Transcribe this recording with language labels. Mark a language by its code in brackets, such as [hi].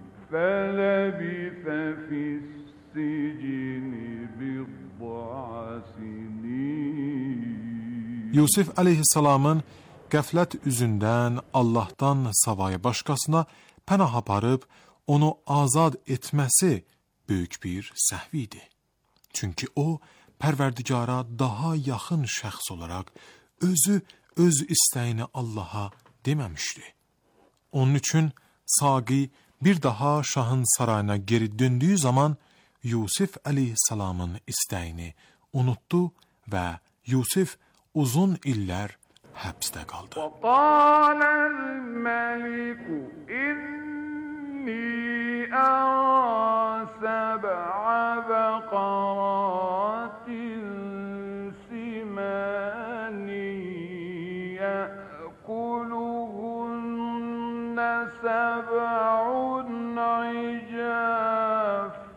[ar] فلبث في السجن بضع سنين. [az] Yusuf aleyhisselamın qəflət üzündən Allahdan savayı başqasına pənah aparıb onu azad etməsi böyük bir səhv idi. Çünki o, pərverdigara daha yaxın şəxs olaraq özü öz istəyini Allaha deməmişdi. Onun üçün Saqi bir daha şahın sarayına geri döndüyü zaman Yusuf aleyhisselamın istəyini unutdu və Yusuf uzun illər həbsdə qaldı. [ar] وَقَالَ الْمَلِكُ إِنِّي أَرَى سَبْعَ بَقَرَاتٍ سِمَانٍ يَأْكُلُهُنَّ سَبْعٌ عجاف